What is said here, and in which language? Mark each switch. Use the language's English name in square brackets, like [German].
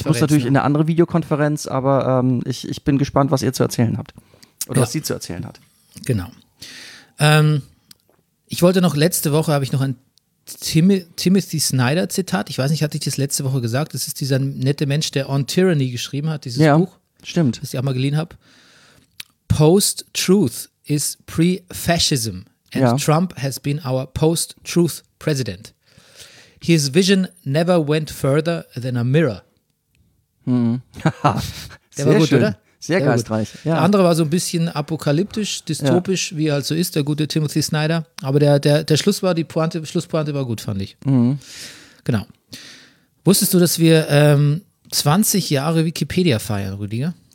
[German] Ich muss natürlich in eine andere Videokonferenz, aber ich bin gespannt, was ihr zu erzählen habt. Oder was sie zu erzählen hat. Genau. Ich wollte noch, letzte Woche habe ich noch ein Timothy Snyder Zitat. Ich weiß nicht, hatte ich das letzte Woche gesagt? Das ist dieser nette Mensch, der On Tyranny geschrieben hat, dieses Buch. Stimmt. Das ich auch mal geliehen habe. [English] Post-Truth ist pre-fascism and Trump has been our post-truth president. His vision never went further than a mirror. [German] Der war gut, schön. Oder? Sehr geistreich. Ja. Der andere war so ein bisschen apokalyptisch, dystopisch, wie er halt so ist, der gute Timothy Snyder. Aber der Schluss war, die Pointe, Schlusspointe war gut, fand ich. Genau. Wusstest du, dass wir 20 Jahre Wikipedia feiern, Rüdiger?